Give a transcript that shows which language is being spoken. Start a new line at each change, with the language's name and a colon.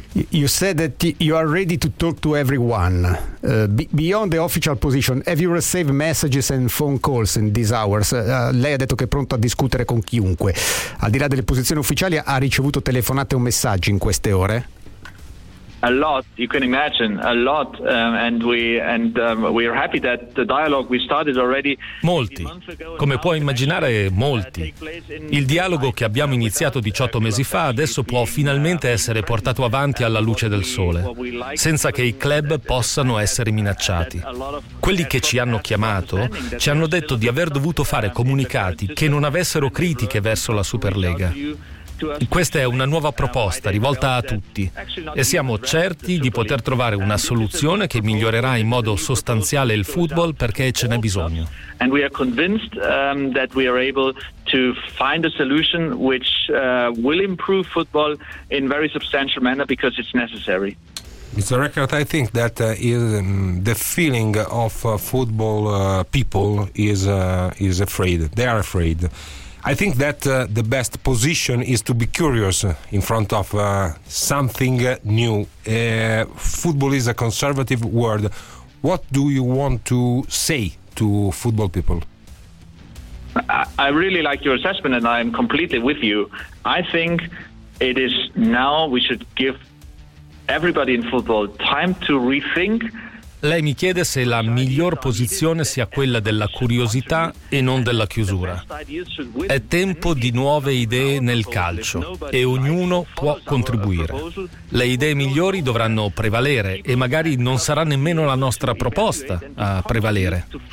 English: You said that you are ready to talk to everyone. Beyond the official position, have you received messages and phone calls in these hours?
Italian: Lei ha detto che è pronto a discutere con chiunque. Al di là delle posizioni ufficiali, ha ricevuto telefonate o messaggi in queste ore?
English: A lot, you can imagine, a lot, and we are happy that the dialogue we started already.
Italian: Molti, come può immaginare, molti. Il dialogo che abbiamo iniziato 18 mesi fa adesso può finalmente essere portato avanti alla luce del sole, senza che i club possano essere minacciati. Quelli che ci hanno chiamato ci hanno detto di aver dovuto fare comunicati che non avessero critiche verso la Superlega. Questa è una nuova proposta rivolta a tutti e siamo certi di poter trovare una soluzione che migliorerà in modo sostanziale il football perché ce n'è bisogno.
English: And we are convinced that we are able to find a solution which will improve football in very substantial manner because it's necessary. Mr. Reichard, I think that the feeling of football people is afraid. They are afraid. I think that the best position is to be curious in front of something new. Football is a conservative world. What do you want to say to football people? I really like your assessment and I'm completely with you. I think it is now we should give everybody in football time to rethink.
Italian: Lei mi chiede se la miglior posizione sia quella della curiosità e non della chiusura. È tempo di nuove idee nel calcio e ognuno può contribuire. Le idee migliori dovranno prevalere e magari non sarà nemmeno la nostra proposta a prevalere.